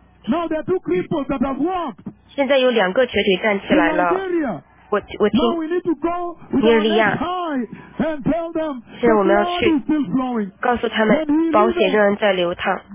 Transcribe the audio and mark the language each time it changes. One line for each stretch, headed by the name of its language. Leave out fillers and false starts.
English: Now there are two cripples that have walked.
Chinese: 现在有两个瘸腿站起来了。我听。
English: Now we need to go with our hands high and tell them.
Chinese: 现在我们要去告诉他们，保险仍然在流淌。